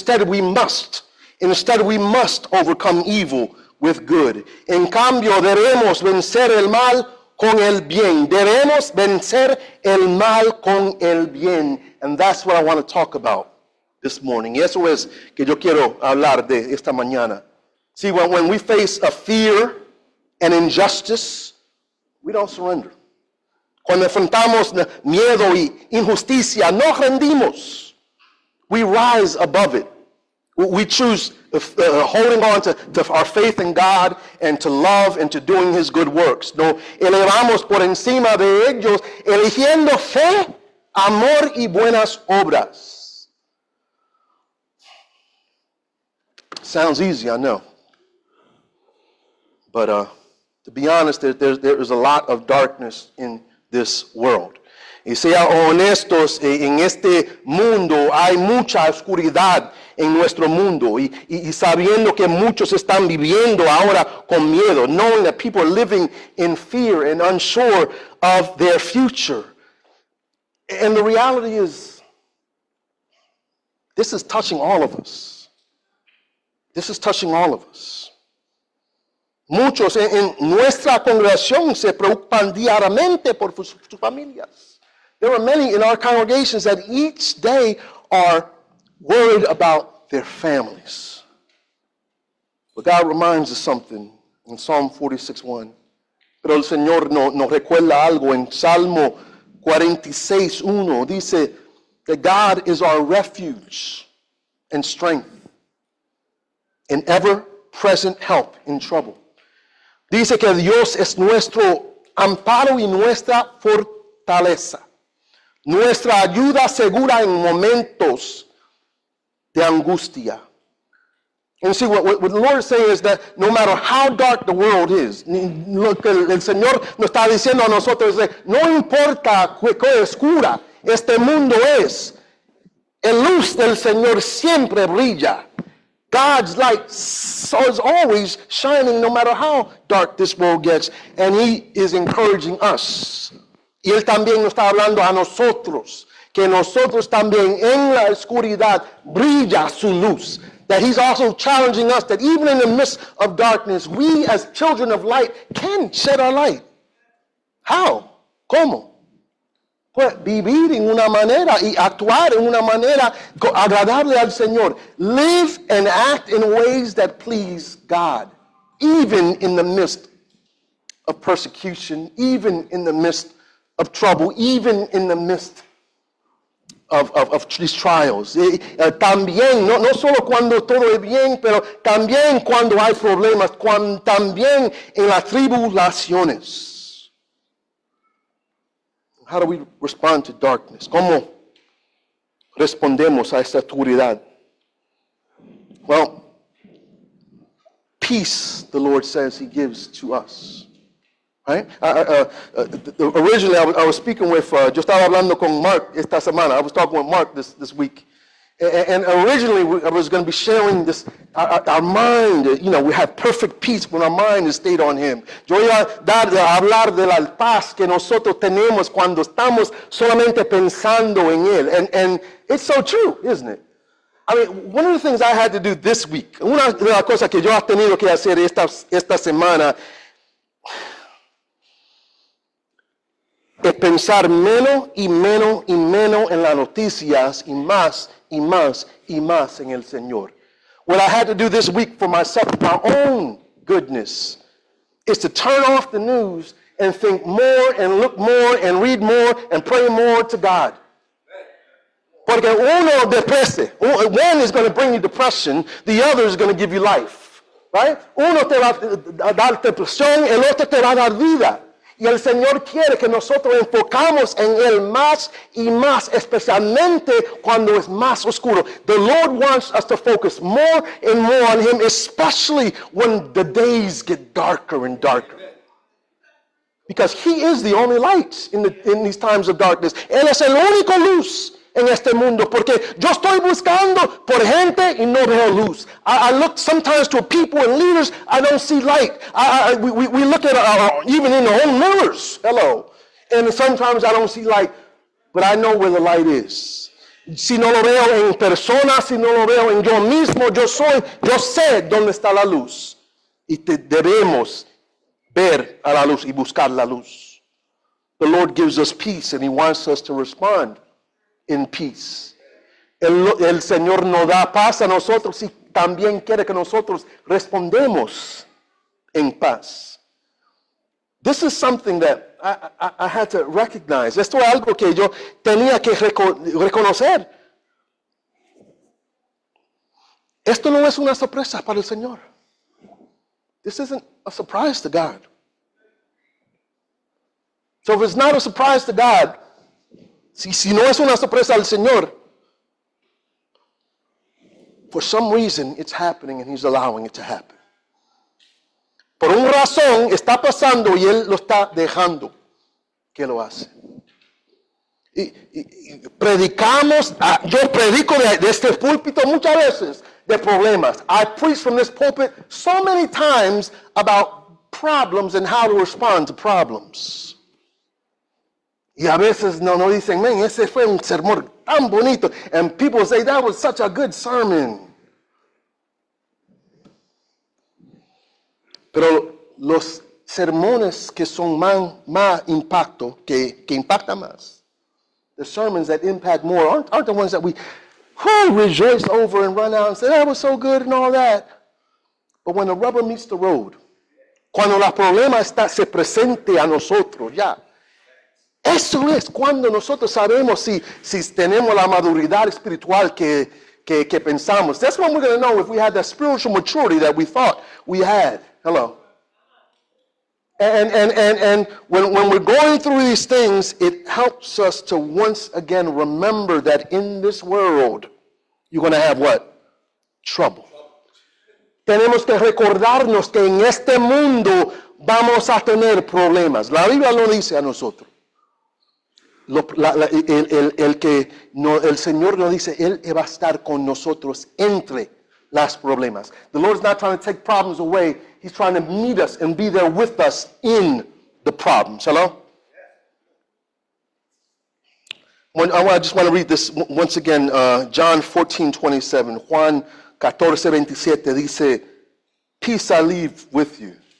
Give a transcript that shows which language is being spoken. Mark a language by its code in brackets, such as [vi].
[en] Instead we must overcome evil with good. [es] En cambio, debemos vencer el mal con el bien. Debemos vencer el mal con el bien. [en] And that's what I want to talk about this morning. [es] Y eso es que yo quiero hablar de esta mañana. [en] See, when we face a fear and injustice, we don't surrender. [es] Cuando enfrentamos miedo y injusticia, no rendimos. [en] We rise above it. We choose holding on to our faith in God and to love and to doing His good works. [es] No, elevamos por encima de ellos, eligiendo fe, amor y buenas obras. [en] Sounds easy, I know. But to be honest, there is a lot of darkness in this world. [es] Y sea honestos, en este mundo hay mucha oscuridad en nuestro mundo. Y sabiendo que muchos están viviendo ahora con miedo, [en] knowing that people are living in fear and unsure of their future. And the reality is, this is touching all of us. This is touching all of us. [es] Muchos en nuestra congregación se preocupan diariamente por sus familias. [en] There are many in our congregations that each day are worried about their families. But God reminds us something in Psalm 46:1. [es] Pero el Señor nos recuerda algo en Salmo 46:1. Dice [en] that God is our refuge and strength and ever-present help in trouble. [es] Dice que Dios es nuestro amparo y nuestra fortaleza. Nuestra ayuda segura en momentos de angustia. [en] And see, what the Lord is saying is that no matter how dark the world is, [es] lo que el Señor nos está diciendo a nosotros es, no importa qué oscura este mundo es, el luz del Señor siempre brilla. [en] God's light is always shining no matter how dark this world gets. And He is encouraging us. [es] Y Él también nos está hablando a nosotros. Que nosotros también en la oscuridad brilla su luz. [en] That He's also challenging us that even in the midst of darkness, we as children of light can shed our light. How? [es] ¿Cómo? Pues vivir en una manera y actuar en una manera agradable al Señor. [en] Live and act in ways that please God. Even in the midst of persecution. Even in the midst of trouble. Even in the midst of these trials. [es] También, no solo cuando todo es bien, pero también cuando hay problemas. También en las tribulaciones. [en] How do we respond to darkness? [es] ¿Cómo respondemos a esta oscuridad? [en] Well, peace, the Lord says, He gives to us. Right? Originally, I was speaking with, [es] yo estaba hablando con Mark esta semana. [en] I was talking with Mark this week. And originally, I was going to be sharing this, our mind, you know, we have perfect peace when our mind is stayed on Him. [es] Yo iba a hablar de la paz que nosotros tenemos cuando estamos solamente pensando en Él. [en] And it's so true, isn't it? I mean, one of the things I had to do this week, [es] una de las cosas que yo he tenido que hacer esta semana, es pensar menos y menos y menos en las noticias y más y más y más en el Señor. [en] What I had to do this week for myself, my own goodness, is to turn off the news and think more and look more and read more and pray more to God. [es] Porque uno depresa. [en] One is going to bring you depression. The other is going to give you life. Right? [es] Uno te va a dar depresión, el otro te va a dar vida. Y el Señor quiere que nosotros enfocamos en Él más y más, especialmente cuando es más oscuro. [en] The Lord wants us to focus more and more on Him, especially when the days get darker and darker. Because He is the only light in these times of darkness. [es] Él es el único luz en este mundo, porque yo estoy buscando por gente y no veo luz. [en] I look sometimes to people and leaders, I don't see light. We look at even in the own mirrors, hello, and sometimes I don't see light, but I know where the light is. [es] Si no lo veo en persona, si no lo veo en yo mismo, yo sé dónde está la luz. Y debemos ver a la luz y buscar la luz. [en] The Lord gives us peace and He wants us to respond in peace. [es] El Señor nos da paz a nosotros y también quiere que nosotros respondemos en paz. [en] This is something that I had to recognize. [es] Esto es algo que yo tenía que reconocer. Esto no es una sorpresa para el Señor. [en] This isn't a surprise to God. So if it's not a surprise to God, [es] si no es una sorpresa al Señor, [en] for some reason it's happening and He's allowing it to happen. [es] Por una razón está pasando y Él lo está dejando que lo hace. Y predicamos, yo predico de este púlpito muchas veces de problemas. [en] I preach from this pulpit so many times about problems and how to respond to problems. [es] Y a veces no dicen, man, ese fue un sermón tan bonito. [en] And people say, that was such a good sermon. [es] Pero los sermones que son más impacto, que impactan más, [en] the sermons that impact more, aren't the ones that we rejoice over and run out and say, that was so good and all that. But when the rubber meets the road, [es] cuando el problema está se presente a nosotros, ya, eso es cuando nosotros sabemos si tenemos la maduridad espiritual que pensamos. [en] That's when we're going to know if we had that spiritual maturity that we thought we had. Hello. And when we're going through these things, it helps us to once again remember that in this world, you're going to have what? Trouble. [es] Tenemos que recordarnos que en este mundo vamos a tener problemas. La Biblia lo dice a nosotros. El Señor nos dice, Él va a estar con nosotros entre las problemas. [en] The Lord is not trying to take problems away. He's trying to meet us and be there with us in the problems. Hello? I just want to read this once again. John 14:27. [es] Juan 14:27 dice, [en] peace I leave with you.